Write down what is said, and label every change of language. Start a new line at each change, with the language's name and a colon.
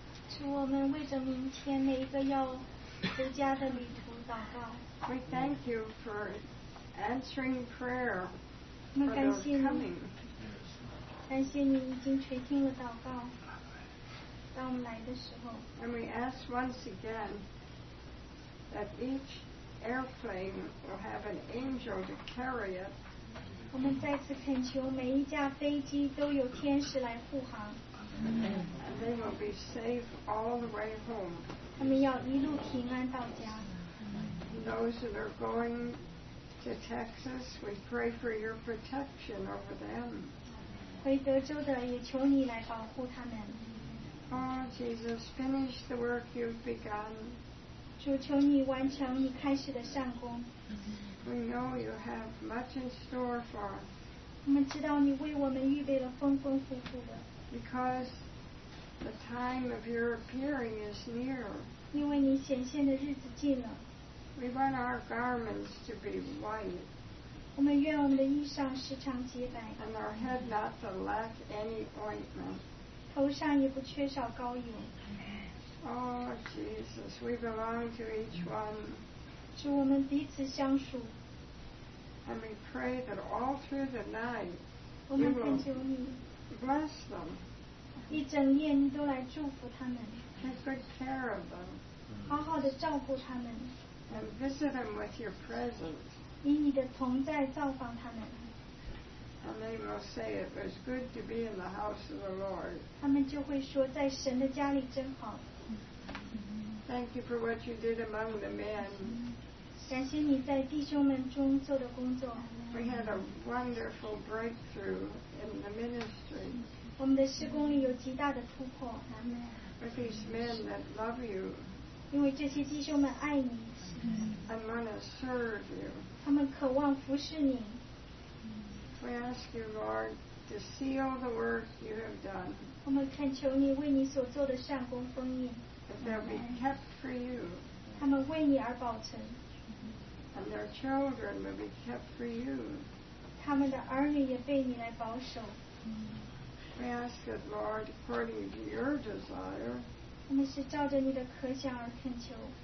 Chinese: 主，我们为着明天每一个要回家的旅途祷告。
English: We thank you for answering prayer.
Chinese: 我们感谢你，感谢你已经垂听了祷告。当我们来的时候。
English: And we ask once again that each airplane will have an angel to carry it.
Chinese: 我们再次恳求每一架飞机都有天使来护航。
English: And they will be safe all the way home.
Chinese: 他们要一路平安到家。
English: Those that are going to Texas, we pray for your protection over them.
Chinese: 回德州的也求你来保护他们。
English: Oh, Jesus, finish the work you've begun.
Chinese: 主，求你完成你开始的善工。
English: We know you have much in store for us.
Chinese: 我们知道你为我们预备了丰丰富富的。
English: Because the time of your appearing is near.
Chinese: 因为你显现的日子近了。
English: We want our garments to be white.
Chinese: 我们愿我们的衣裳时常洁白。
English: And our head not to lack any ointment.
Chinese: 头上也不缺少膏油。
English: Oh, Jesus, we belong to each one.
Chinese: 主，我们彼此相属。
English: And we pray that all through the night,
Chinese: 我们恳求你。
English: Bless them.
Chinese: 一整夜你都来祝福他们。
English: Take good care of them.
Chinese: 好好地照顾他们。
English: And visit them with your presence.
Chinese: 以你的同在造访他们。
English: And they will say it was good to be in the house of the Lord.
Chinese: 他们就会说在神的家里真好。
English: Thank you for what you did among the men.
Chinese: 感谢你在弟兄们中做的工作。
English: We had a wonderful breakthrough in the ministry.
Chinese: 我们的事工里有极大的突破。
English: With these men that love you.
Chinese: 因为这些弟兄们爱你。
English: And want to serve you.
Chinese: 他们渴望服侍你。
English: We ask you, Lord, to seal the work you have done.
Chinese: 我们恳求你为你所做的善工封印。
English: That they'll be kept for you.
Chinese: 他们为你而保存。
English: And their children will be kept for you.
Chinese: 他们的儿女也被你来保守。
English: We ask it, Lord, according to your desire.
Chinese: 我们是照着你的可想而恳求。